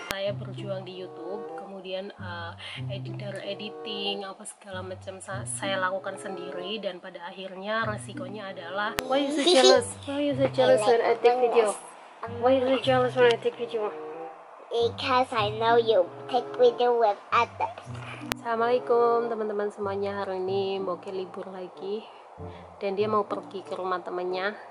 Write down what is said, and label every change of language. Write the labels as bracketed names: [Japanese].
[Indonesian] Saya berjuang di YouTube, kemudian editing apa segala macam saya lakukan sendiri, dan pada akhirnya resikonya adalah [English] why you so jealous? Why you so jealous when I take video? Why you so jealous when I take video? Because I know you take video with others. [Indonesian] Assalamualaikum teman-teman semuanya. Hari ini Mbokke libur lagi dan dia mau pergi ke rumah temannya.